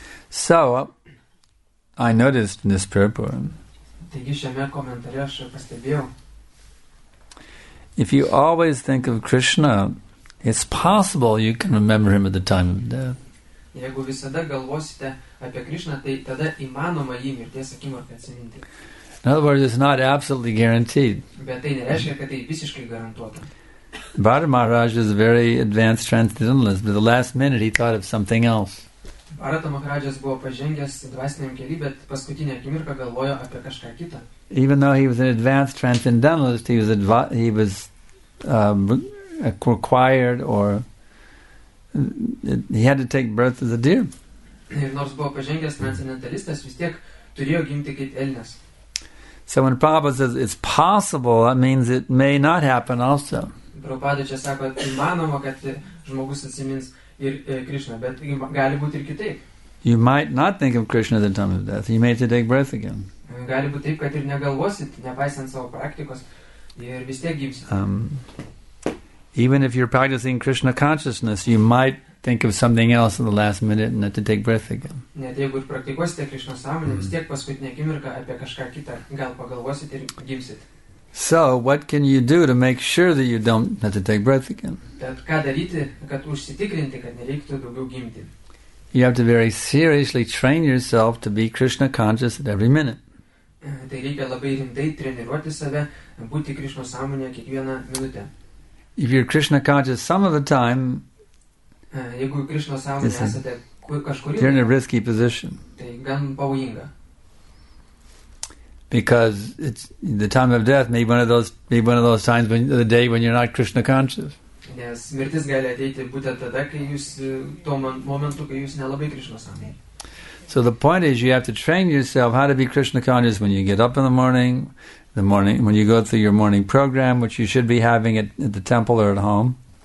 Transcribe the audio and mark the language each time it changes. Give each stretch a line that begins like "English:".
English: So, I noticed in this purport, if you always think of Krishna, it's possible you can remember him at the time of death.
Lithuanian: Jeigu visada galvosite apie Krishna, tai tada įmanoma jį mirties akimirką atsiminti.
English: In other words, it's not absolutely guaranteed.
Lithuanian: Bet tai nereiškia, kad tai visiškai garantuota.
English: Bharata Maharaj is a very advanced transcendentalist, but the last minute he thought of something else.
Lithuanian: Bharata Maharajas buvo pažengęs dvasiniam keliu, bet paskutinę akimirką galvojo apie kažką kitą.
English: Even though he was an advanced transcendentalist, he was required or he had to take birth as a deer.
Lithuanian: Ir nors buvo pažengęs transcendentalistas, vis tiek turėjo gimti kaip elnias.
English: So when Prabhupada says it's possible, that means it may not happen also.
Lithuanian: Prabhupada čia sako, įmanoma, kad žmogus atsimins ir Krishna, bet gali būti ir kitaip.
English: You might not think of Krishna at the time of death. You may have to take birth again.
Lithuanian: Gali būti taip, kad ir negalvosit, nepaisant savo praktikos, ir vis tiek gimsit.
English: Even if you're practicing Krishna consciousness, you might think of something else at the last minute and have to take breath again.
Lithuanian: Net jeigu ir praktikuosite Krishna sąmonę, vis tiek paskutinė akimirka apie kažką kitą gal pagalvosit ir gimsit.
English: So, what can you do to make sure that you don't have to take breath again?
Lithuanian: Tad ką daryti, kad užsitikrinti, kad nereiktų daugiau gimti?
English: You have to very seriously train yourself to be Krishna conscious at every minute.
Lithuanian: Tai reikia labai rimtai treniruoti save, būti Krishna sąmonėje kiekvieną minutę.
English: If you're Krishna conscious some of the time,
Lithuanian: jeigu Krishna sąmonė esate kažkurį,
English: you're in a risky position.
Lithuanian: Tai gan pavojinga.
English: Because it's the time of death, maybe one of those times when the day when you're not Krishna conscious.
Lithuanian: Nes mirtis gali ateiti būtent tada, kai jūs to momentu, kai jūs nelabai Krishna sąmonė.
English: So the point is you have to train yourself how to be Krishna conscious when you get up in the morning, when you go through your morning program, which you should be having at the temple or at home.